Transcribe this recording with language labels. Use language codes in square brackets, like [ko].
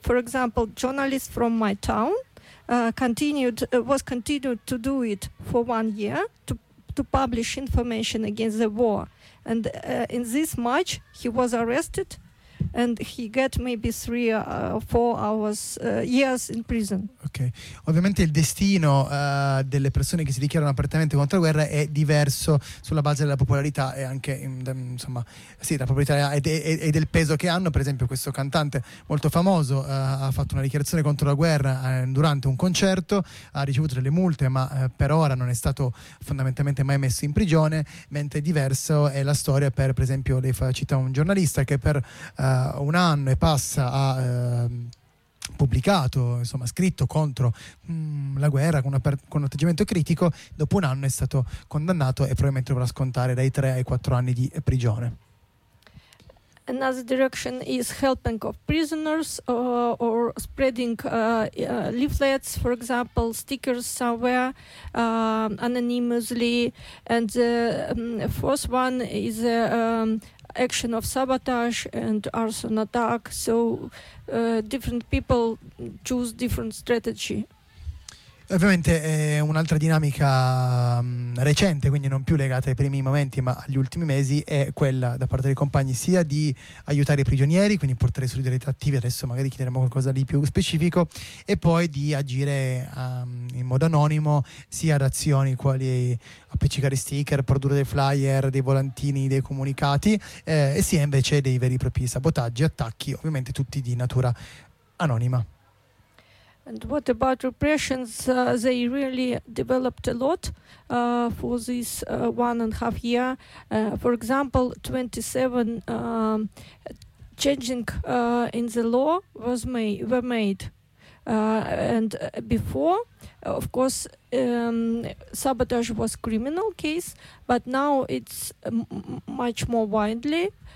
[en] For example, journalists from my town continued to do it for 1 year to publish information against the war. And in this March, he was arrested, and he get maybe 3 or 4 hours years in prison. Okay. [it] Ovviamente il destino delle persone che si dichiarano apertamente contro la guerra è diverso sulla base della popolarità e anche insomma sì, la popolarità e del peso che hanno. Per esempio, questo cantante molto famoso ha fatto una dichiarazione contro la guerra durante un concerto, ha ricevuto delle multe, ma per ora non è stato fondamentalmente mai messo in prigione, mentre diverso è la storia per esempio, lei cita un giornalista che per un anno e passa ha pubblicato, insomma scritto contro la guerra con un atteggiamento critico, dopo un anno è stato condannato e probabilmente dovrà scontare dai 3 ai 4 anni di prigione. [en] Another direction is helping of prisoners or spreading leaflets, for example, stickers somewhere anonymously. And the fourth one is action of sabotage and arson attack. So different people choose different strategy. [it] Ovviamente è un'altra dinamica recente, quindi non più legata ai primi momenti ma agli ultimi mesi, è quella da parte dei compagni sia di aiutare i prigionieri, quindi portare solidarietà attiva, adesso magari chiederemo qualcosa di più specifico, e poi di agire in modo anonimo sia ad azioni quali appiccicare sticker, produrre dei flyer, dei volantini, dei comunicati, e sia invece dei veri e propri sabotaggi, attacchi, ovviamente tutti di natura anonima. [en] And what about repressions? They really developed a lot for this 1.5 year. For example, 27 changing in the law were made. And before, of course, sabotage was criminal case, but now it's much more widely.